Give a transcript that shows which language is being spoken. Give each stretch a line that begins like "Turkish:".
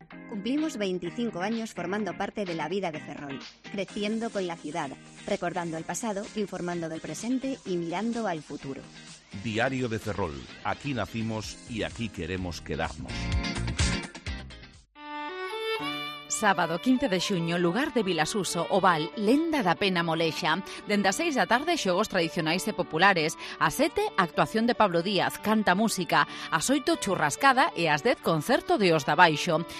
Spanish: Cumplimos 25 años formando parte de la vida de Ferrol, creciendo con la ciudad, recordando el pasado, informando del presente y mirando al futuro. Diario de Ferrol. Aquí nacimos y aquí queremos quedarnos.
Galician: Sábado 15 de xuño, lugar de Vilasuso, Oval, Lenda da Pena Molexa. Dende as 6 da tarde, xogos tradicionais e populares. A 7, actuación de Pablo Díaz, canta música. A 8, churrascada e as 10, concerto de Os da Baixo.